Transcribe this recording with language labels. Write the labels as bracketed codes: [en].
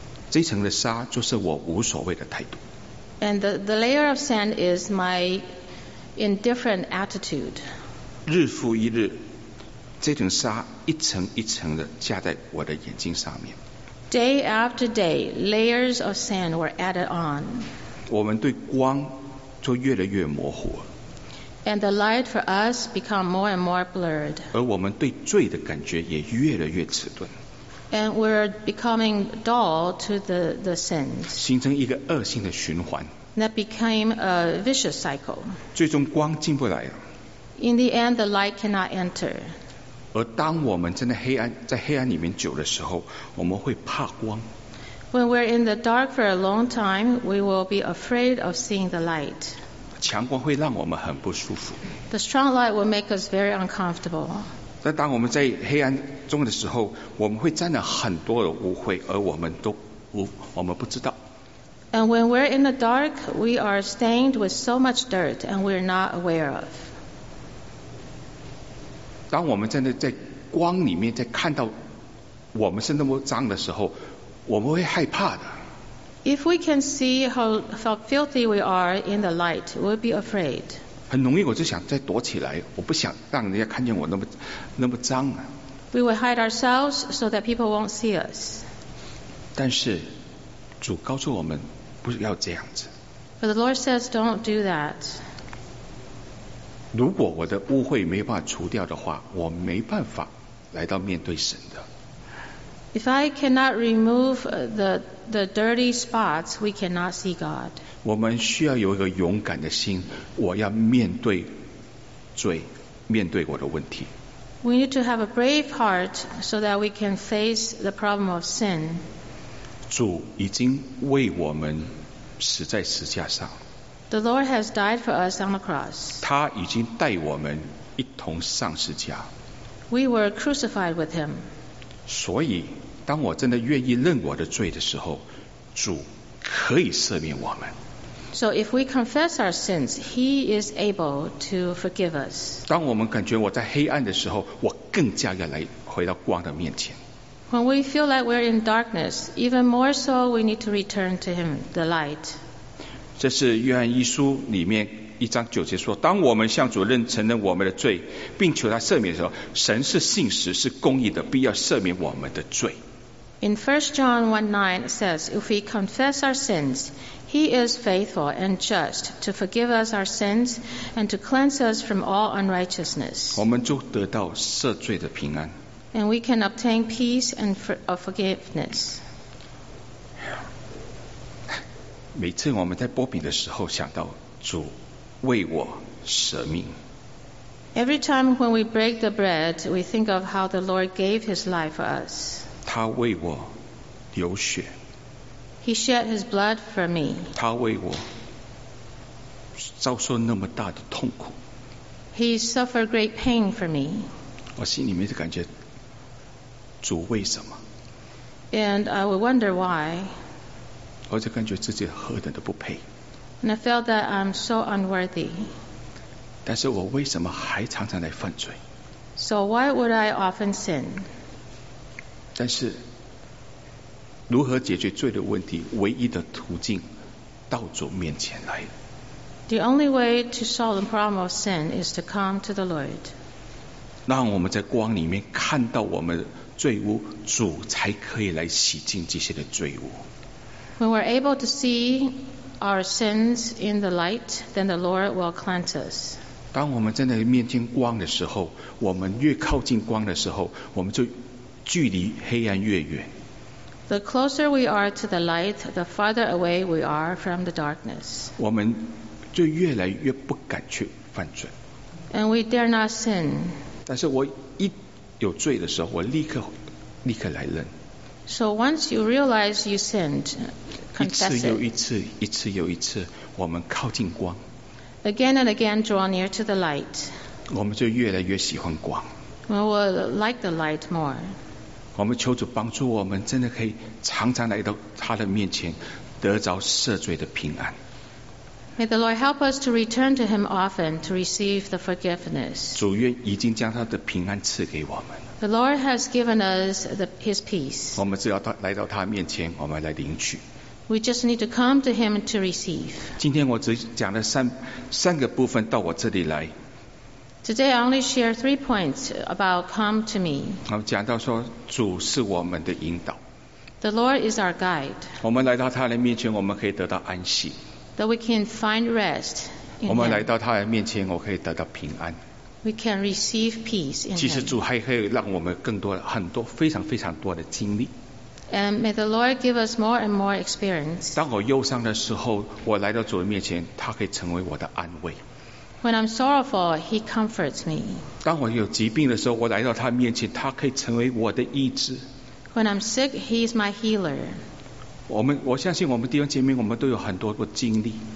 [zh] 这层的纱就是我无所谓的态度。 [en] And the layer of sand is my indifferent attitude. [zh] 日复一日，这层纱一层一层的加在我的眼睛上面。 [en] Day after day, layers of sand were added on. [zh] 我们对光就越来越模糊。 [en] And the light for us become more and more blurred. [zh] 而我们对罪的感觉也越来越迟钝。 [en] And we're becoming dull to the sins. [zh] 形成一个恶性的循环。 [en] That became a vicious cycle. [zh] 最终光进不来了。 [en] In the end, the light cannot enter. [zh] 而当我们真的黑暗在黑暗里面久的时候，我们会怕光。 [en] When we're in the dark for a long time, we will be afraid of seeing the light. [zh] 强光会让我们很不舒服。 [en] The strong light will make us very uncomfortable. [zh] 但当我们在黑暗中的时候，我们会沾了很多的污秽，而我们不知道。 [en] And when we're in the dark, we are stained with so much dirt, and we're not aware of. [zh] 当我们真的在光里面，在看到我们是那么脏的时候，我们会害怕的。 [en] If we can see how filthy we are in the light, we'll be afraid. [zh] 很容易我就想再躲起来，我不想让人家看见我那么脏啊。 [en] We will hide ourselves so that people won't see us. [zh] 但是主告诉我们不要这样子。 [en] But the Lord says, don't do that. [zh] 如果我的污秽没有办法除掉的话，我没办法来到面对神的。 [en] If I cannot remove the dirty spots, we cannot see God. [zh] 我们需要有一个勇敢的心，我要面对罪，面对我的问题。 [en] We need to have a brave heart so that we can face the problem of sin. [zh] 主已经为我们死在十架上。 [en] The Lord has died for us on the cross. [zh] 他已经带我们一同上十架。 [en] We were crucified with him. [zh] 所以当我真的愿意认我的罪的时候，主可以赦免我们。 [en] So if we confess our sins, he is able to forgive us. [zh] 当我们感觉我在黑暗的时候，我更加要来回到光的面前。 [en] When we feel like we're in darkness, even more so, we need to return to him, the light. [zh] 这是约翰一书里面一章九节说，当我们向主认承认我们的罪，并求他赦免的时候，神是信实是公义的，必要赦免我们的罪。 [en] In 1 John 1:9 it says, if we confess our sins, he is faithful and just to forgive us our sins and to cleanse us from all unrighteousness. [zh] 我们就得到赦罪的平安。 [en] And we can obtain peace and forgiveness. [zh] 每次我们在擘饼的时候想到主为我舍命。 [en] Every time when we break the bread, we think of how the Lord gave his life for us. [zh] 他为我流血。 [en] He shed his blood for me. [zh] 他为我遭受那么大的痛苦。 [en] He suffered great pain for me. [zh] 我心里面就感觉主为什么。 [en] And I would wonder why. [zh] 我就感觉自己何等的不配。 [en] And I felt that I'm so unworthy. [zh] 但是我为什么还常常来犯罪。 [en] So why would I often sin? [zh] 但是如何解决罪的问题，唯一的途径到主面前来。 [en] The only way to solve the problem of sin is to come to the Lord. [zh] 让我们在光里面看到我们罪污，主才可以来洗净这些的罪污。 [en] When we're able to see our sins in the light, then the Lord will cleanse us. [zh] 当我们真的面前光的时候，我们越靠近光的时候，我们就距离黑暗越远。 [en] The closer we are to the light, the farther away we are from the darkness. [zh] 我们就越来越不敢去犯罪。 [en] And we dare not sin. [zh] 但是我一有罪的时候，我立刻来认。 [en] So once you realize you sinned, confess it. [zh] 一次又一次，一次又一次，我们靠近光。 [en] Again and again, draw near to the light. [zh] 我们就越来越喜欢光。 [en] We will like the light more. [zh] 我们求主帮助我们，真的可以常常来到他的面前，得着赦罪的平安。 [en] May the Lord help us to return to him often to receive the forgiveness. [zh] 主愿已经将他的平安赐给我们。 [en] The Lord has given us his peace. [zh] 我们只要来到他面前，我们来领取。 [en] We just need to come to him to receive. [zh] 今天我只讲了三个部分到我这里来。 [en] Today I only share 3 points about come to me. [zh] 我们讲到说主是我们的引导。 [en] The Lord is our guide. [zh] 我们来到他的面前，我们可以得到安息。 [en] That we can find rest. [zh] 我们来到他的面前，我可以得到平安。 [en] We can receive peace in him. [zh] 其实主还可以让我们更多很多非常非常多的经历。 [en] And may the Lord give us more and more experience. [zh] 当我忧伤的时候，我来到主的面前，他可以成为我的安慰。 [en] When I'm sorrowful, he comforts me. [zh] 当我有疾病的时候，我来到他面前，他可以成为我的医治。 [en] When I'm sick, he is my healer. [zh] 我相信我们弟兄姐妹，我们都有很多的经历。